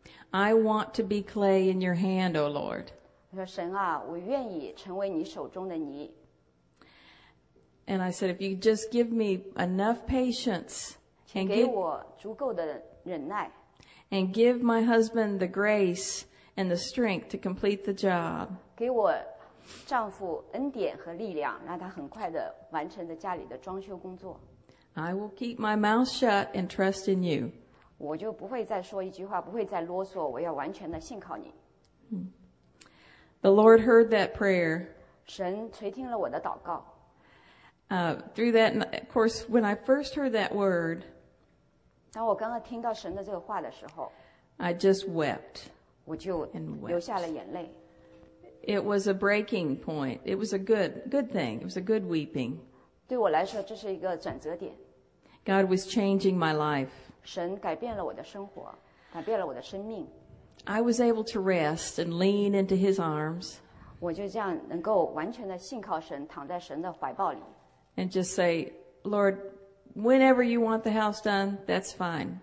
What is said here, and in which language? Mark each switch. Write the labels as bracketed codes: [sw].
[en] I want to be clay in your hand, O Lord. [zh] 我说神啊，我愿意成为你手中的泥。 [en] And I said, if you just give me enough patience, and give my husband the grace and the strength to complete the job. [zh] 给我丈夫恩典和力量，让他很快的完成在家里的装修工作。 [en] I will keep my mouth shut and trust in you. [zh] 我就不会再说一句话，不会再啰嗦，我要完全的信靠你。 [en] The Lord heard that prayer. [zh] 神垂听了我的祷告。 [en] Through that, of course, when I first heard that word, [zh] 当我刚刚听到神的这个话的时候, [en] I just wept. [zh] 我就流下了眼泪。 [en] It was a breaking point. It was a good thing. It was a good weeping. [zh] 对我来说，这是一个转折点。 [en] God was changing my life. [zh] 神改变了我的生活，改变了我的生命。 [en] I was able to rest and lean into His arms. [zh] 我就这样能够完全的信靠神，躺在神的怀抱里。 [en] And just say, Lord, whenever you want the house done, that's fine.